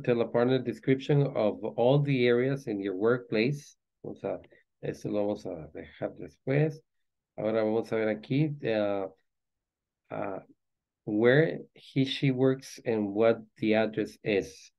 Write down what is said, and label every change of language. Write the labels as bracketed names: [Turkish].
[English] Tell a partner description of all the areas in your workplace. [Spanish] O sea, esto lo vamos a dejar después. Ahora vamos a ver aquí. [English] Where he, she works and what the address is.